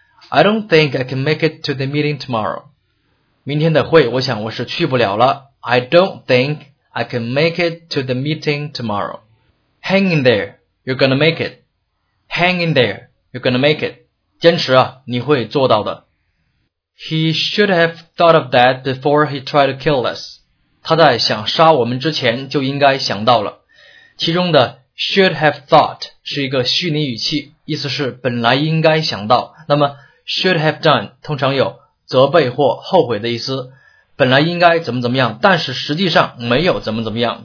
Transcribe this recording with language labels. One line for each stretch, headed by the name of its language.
English: I don't think I can make it to the meeting tomorrow.
Chinese: 明天的会我想我是去不了了。
English: I don't think I can make it to the meeting tomorrow. Hang in there, you're gonna make it. Hang in there, you're gonna make it.
Chinese: 坚持啊，你会做到的。
English: He should have thought of that before he tried to kill us.
Chinese: 他在想杀我们之前就应该想到了。其中的 should have thought 是一个虚拟语气，意思是本来应该想到。那么 should have done 通常有责备或后悔的意思，本来应该怎么怎么样，但是实际上没有怎么怎么样。